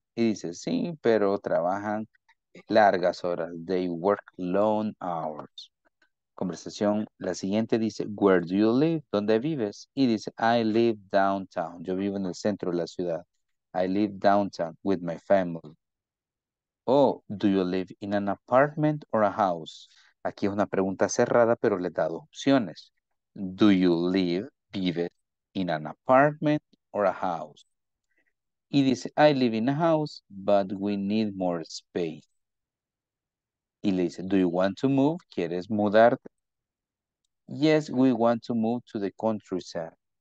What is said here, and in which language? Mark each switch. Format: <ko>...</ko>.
<es>Y dice, sí, pero trabajan largas horas.</es> <en>They work long hours.</en> <es>Conversación, la siguiente dice,</es> <en>where do you live?</en> <es>¿Dónde vives? Y dice,</es> <en>I live downtown.</en> <es>Yo vivo en el centro de la ciudad.</es> <en>I live downtown with my family. Oh, do you live in an apartment or a house?</en> <es>Aquí es una pregunta cerrada, pero le da dos opciones.</es> <en>Do you live, vive, in an apartment or a house.</en> <es>Y dice,</es> <en>I live in a house, but we need more space.</en> <es>Y le dice,</es> <en>do you want to move?</en> <es>¿Quieres mudarte?</es> <en>Yes, we want to move to the countryside.</en>